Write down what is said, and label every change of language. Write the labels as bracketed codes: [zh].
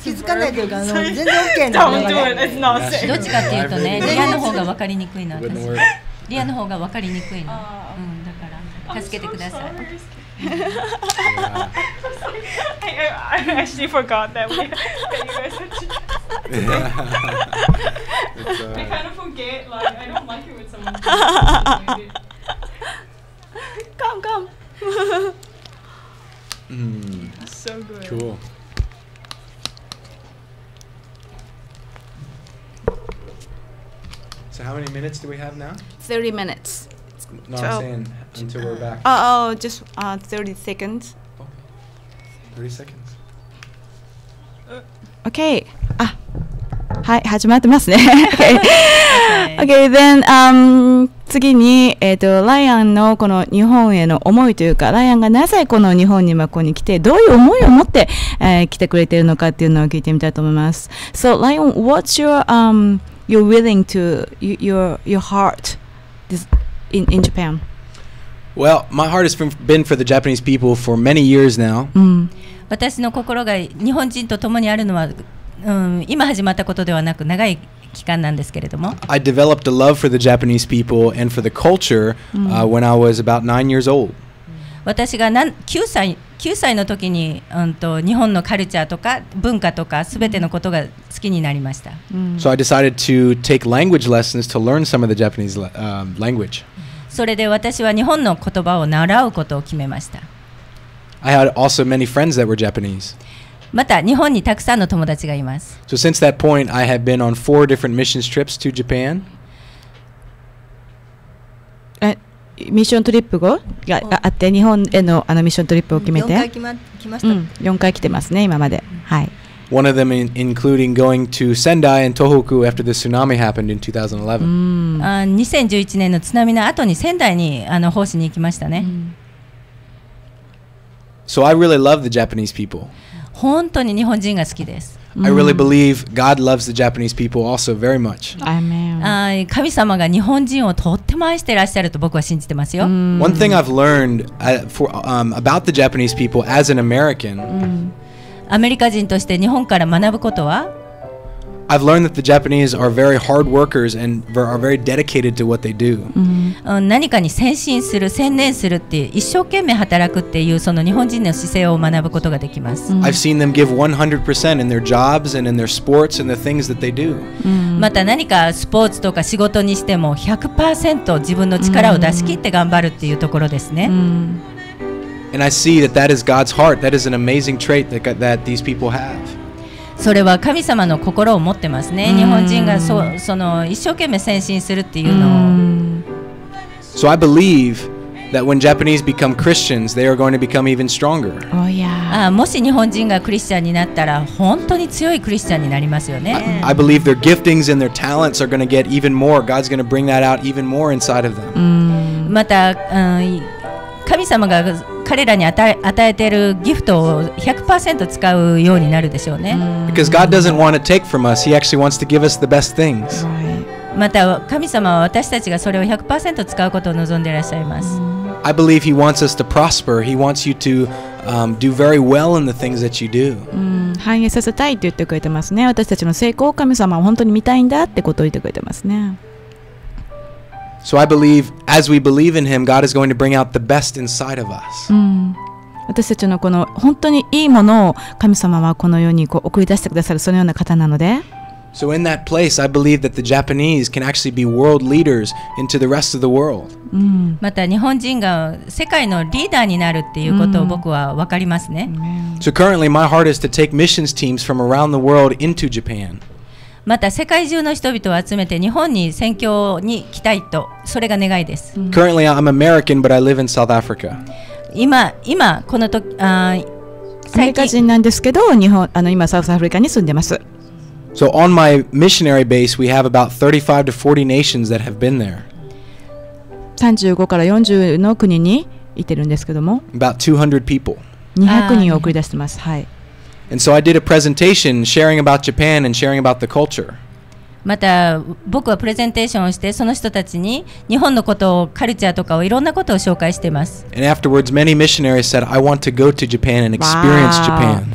[ja] 気づかないというか、全然 OK な [en] の。Don't do it. It's not safe. [ja] どっちかっていうとね、リアの方が分かりにくいの。リアの方が分かりにくいの。だから、助けてください。 [en] I actually forgot that you guys had to do that. I kind of forget. Like, I don't like it with someone. Come, come. So good. Cool. So how many minutes do we have now? 30 minutes. No, I'm saying until we're back. Just 30 seconds. Okay. 30 seconds. [ja] Okay. はい、始まってますね。 [en] OK、then、 [ja] 次に、ライアンのこの日本への思いというか、ライアンがなぜこの日本にここに来て、どういう思いを持って、来てくれているのかっていうのを聞いてみたいと思います。 [en] So, Lion, what's your willing to, your heart in Japan? Well, my heart has been for the Japanese people for many years now.、 [ja] 私の心が日本人と共にあるのは、今始まったことではなく長い期間なんですけれども。 [en] I developed a love for the Japanese people and for the culture, when I was about 9 years old. [ja] 私が9歳の時に、日本のカルチャーとか文化とか全てのことが好きになりました。 [en] So I decided to take language lessons to learn some of the Japanese language. [ja] それで私は日本の言葉を習うことを決めました。 [en] I had also many friends that were Japanese. [ja] また日本にたくさんの友達がいます。 [en] So since that point, I have been on 4 different missions trips to Japan. [ja] ミッショントリップをがあって日本への、あのミッショントリップを決めて。 4回来ました。 4回来てますね、今まで。はい。 [en] One of them including going to Sendai and Tohoku after the tsunami happened in 2011. [ja] 2011年の津波の後に仙台にあの奉仕に行きましたね。 [en] So I really love the Japanese people. [ja] 本当に日本人が好きです。 [en] I really believe God loves the Japanese people also very much. Amen. [ja] 神様が日本人をとっても愛してらっしゃると僕は信じてますよ。 [en] One thing I've learned about the Japanese people as an American. [ja] アメリカ人として日本から学ぶことは [en] I've learned that the Japanese are very hard workers and are very dedicated to what they do. [ja] 何かに専心する、専念するって一生懸命働くっていうその日本人の姿勢を学ぶことができます。 [en] I've seen them give 100% in their jobs and in their sports and the things that they do. [ja] また何かスポーツとか仕事にしても 100% 自分の力を出し切って頑張るっていうところですね。 [en] And I see that that is God's heart. That is an amazing trait that, that these people have. [ja] それは神様の心を持ってますね。日本人がその一生懸命先進するっていうのを。 [en] So I believe that when Japanese become Christians, they are going to become even stronger. Oh yeah. [ja] もし日本人がクリスチャンになったら本当に強いクリスチャンになりますよね。 [en] I believe their giftings and their talents are going to get even more. God's going to bring that out even more inside of them. [ja] また、神様が彼らに与えているギフトを 100% 使うようになるでしょうね。 [en] Because God doesn't want to take from us. He actually wants to give us the best things. [ja] また神様は私たちがそれを 100% 使うことを望んでいらっしゃいます。 [en] I believe He wants us to prosper. He wants you to do very well in the things that you do. [ja] 反映させたいと言ってくれてますね。私たちの成功を神様は本当に見たいんだってことを言ってくれてますね。 [en] So I believe, as we believe in Him, God is going to bring out the best inside of us. [ja] 私たちのこの本当にいいものを神様はこの世にこう送り出してくださるそのような方なので。 [en] So in that place, I believe that the Japanese can actually be world leaders into the rest of the world. [ja] また日本人が世界のリーダーになるっていうことを僕はわかりますね。 [en] So currently, my heart is to take missions teams from around the world into Japan. [ja] また世界中の人々を集めて日本に宣教に来たいと、それが願いです。 [en] Currently, I'm American, but I live in South Africa. [ja] 今この時、アメリカ人なんですけど、今サウスアフリカに住んでます。 [en] So on my missionary base, we have about 35 to 40 nations that have been there. [ja] 35から40の国にいてるんですけども。 [en] About 200 people. [ja] 200人を送り出してます。はい。 [en] And so I did a presentation sharing about Japan and sharing about the culture. [ja] また僕はプレゼンテーションをしてその人たちに日本のことをカルチャーとかをいろんなことを紹介しています。 [en] And afterwards, many missionaries said, "I want to go to Japan and experience Japan."